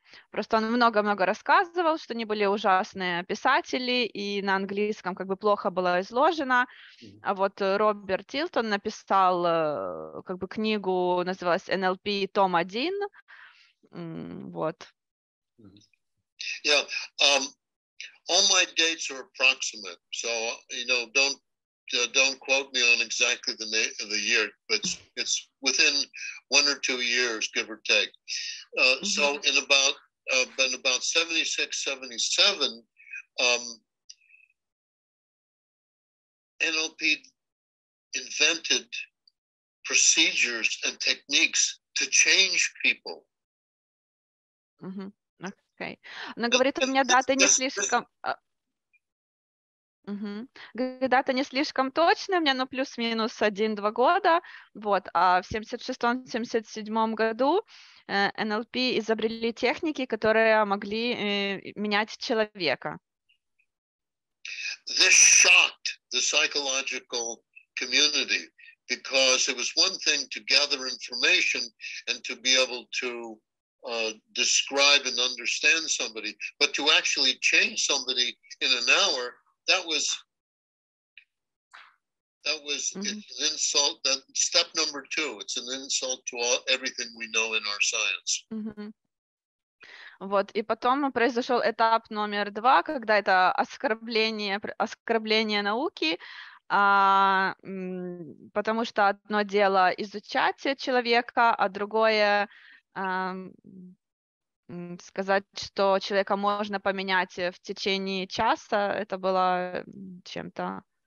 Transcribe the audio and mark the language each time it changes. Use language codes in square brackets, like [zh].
[ru] Просто он много-много рассказывал, что они были ужасные писатели, и на английском как бы плохо было изложено. А вот Роберт Тилтон написал как бы книгу, называлась «NLP том 1», вот. [en] All my dates are approximate, so you know, don't quote me on exactly the year, but it's within 1 or 2 years, give or take. So in about 76-77, NLP invented procedures and techniques to change people. [ru] Окей. Okay. Но говорит, у меня даты не слишком... Даты не слишком точные, у меня, ну, плюс-минус 1-2 года, вот. А в 76-77 году NLP изобрели техники, которые могли менять человека. [en] This shocked the psychological community, because it was one thing to gather information and to be able to describe and understand somebody, but to actually change somebody in an hour, that was it's an insult. That step number two, it's an insult to all everything we know in our science. [ru] Вот, и потом произошел этап номер два, когда это оскорбление науки. Потому что одно дело изучать человека, а другое сказать, что человека можно поменять в течение часа, это было чем-то...